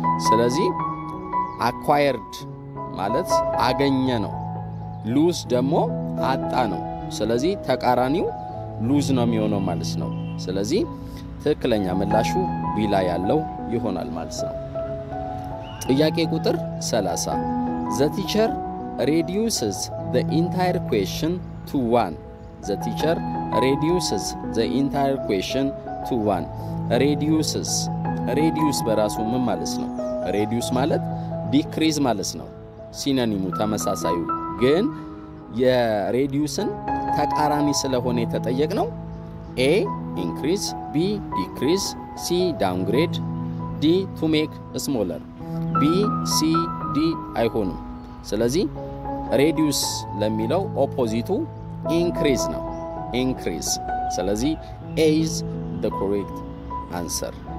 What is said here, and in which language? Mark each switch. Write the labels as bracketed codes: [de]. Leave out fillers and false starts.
[am] ስለዚህ acquired ማለት አገኘ ነው። lose ደግሞ አጣ ነው። ስለዚህ ተቃራኒው lose ነው የሚሆነው ማለት ነው። ስለዚህ ትክክለኛ መልሱ B ላይ ያለው ይሆናል ማለት ነው። ጥያቄ ቁጥር 30. [en] The teacher reduces the entire question to one. The teacher reduces the entire question to one. Reduces. [am] Reduce በራሱ ምን ማለት ነው? Reduce ማለት decrease ማለት ነው። ሲነኒሙ ተመሳሳዩ ግን የሬዲዩስን ተቃራኒ ስለሆነ የተጠየቅነው [en] A increase, B decrease, C downgrade, D to make smaller. [am] B, C, D አይሆንም። ስለዚህ reduce ለሚለው ኦፖዚቱ increase ነው. [en] Increase. [am] ስለዚህ [en] A is the correct answer.